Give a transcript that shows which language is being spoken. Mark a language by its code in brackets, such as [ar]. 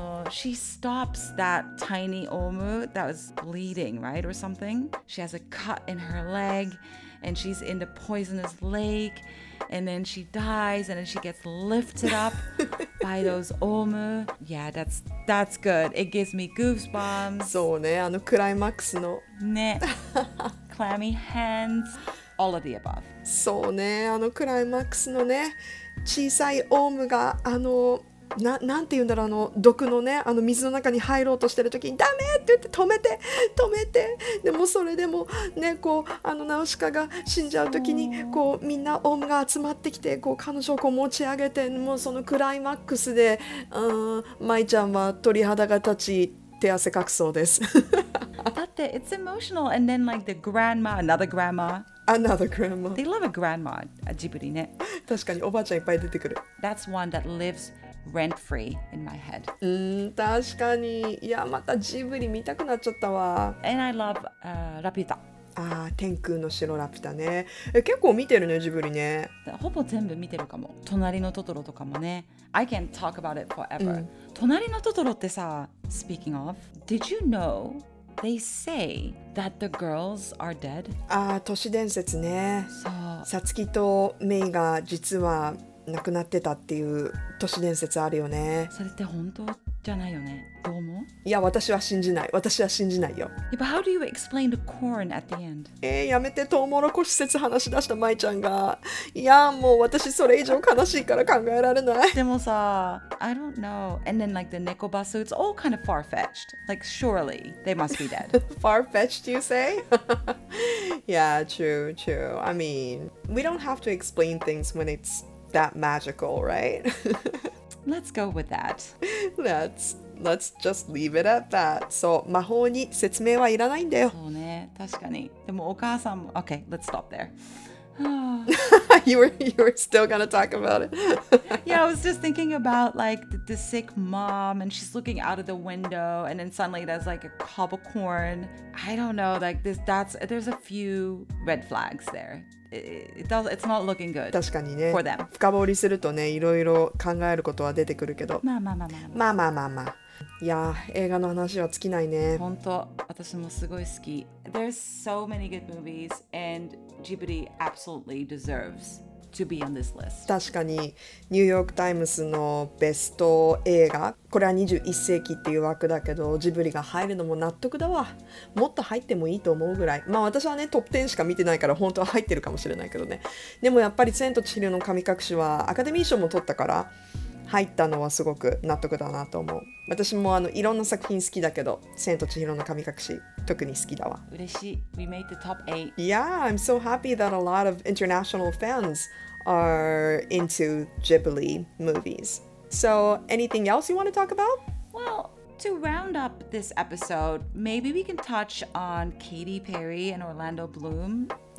[en] She stops that tiny omu that was bleeding, right, or something. She has a cut in her leg, and she's in the poisonous lake, and then she dies, and then she gets lifted up by those omu. Yeah, that's good. It gives me goosebumps. [ja] そうね、あのクライマックスの。 [en] ね。Clammy hands, all of the above. [ja] そうね、あのクライマックスのね。小さいオウムがあのなんて言うんだろう、あの毒のね、あの水の中に入ろうとしてる時にダメって言って止めて止めて、でもそれでもね、こうあのナウシカが死んじゃう時にこうみんなオウムが集まってきて、こう彼女をこう持ち上げて、もうそのクライマックスで、うん、舞ちゃんは鳥肌が立ち手汗かくそうです [en] だって it's emotional and then like the grandma another grandma Another grandma. They love a grandma, a Ghibli, ne? [ja] 確かにおばあちゃんいっぱい出てくる。 [en] That's one that lives rent-free in my head. [ja] うん、確かに。いや、またジブリ見たくなっちゃったわ。 [en] And I love ラピュタ。 [ja] あー、天空の城ラピュタね。え、結構見てるね、ジブリね。ほぼ全部見てるかも。隣のトトロとかもね。 [en] I can talk about it forever.、 [ja] うん、隣のトトロってさ、 [en] speaking of, did you know? They say that the girls are dead. [ja] ああ、都市伝説ね。そう。サツキとメイが実は亡くなってたっていう都市伝説あるよね。それって本当じゃないよね。どう思う？いや、私は信じない。私は信じないよ。 [en] Yeah, but how do you explain the corn at the end? [ja] やめて、トウモロコシ説話し出したマイちゃんが。いや、もう私それ以上悲しいから考えられない。でもさ、 [en] I don't know. And then like the neko basu, it's all kind of far-fetched. Like, surely they must be dead. Far-fetched, you say? Yeah, true, true. I mean, we don't have to explain things when it's that magical, right? Let's go with that. Let's just leave it at that. [ja] So, 魔法に説明はいらないんだよ。そうね、確かに。でもお母さんも、 [en] Okay, let's stop there. you were still gonna talk about it. Yeah, I was just thinking about like the sick mom and she's looking out of the window and then suddenly there's like a cob of corn. I don't know, like there's a few red flags there. It's not looking good. [ja] 確かにね。 [en] For them. [ja] 深掘りするとね、いろいろ考えることは出てくるけど。まあまあまあまあ、まあ。まあまあまあ。いや、映画の話は尽きないね。本当、私もすごい好き。 [en] There's so many good movies, and Ghibli absolutely deserves to be on this list. [ja] 確かに、ニューヨークタイムズのベスト映画、これは21世紀っていう枠だけど、ジブリが入るのも納得だわ。もっと入ってもいいと思うぐらい。まあ私はね、トップ10しか見てないから本当は入ってるかもしれないけどね。でもやっぱり千と千尋の神隠しはアカデミー賞も取ったから入ったのはすごく納得だなと思う。私もあのいろんな作品好きだけど、千と千尋の神隠し特に好きだわ。嬉しい。 [en] We made the top 8. Yeah, I'm so happy that a lot of international fans are into Ghibli movies. So, anything else you want to talk about? Well, to round up this episode, maybe we can touch on Katy Perry and Orlando Bloom.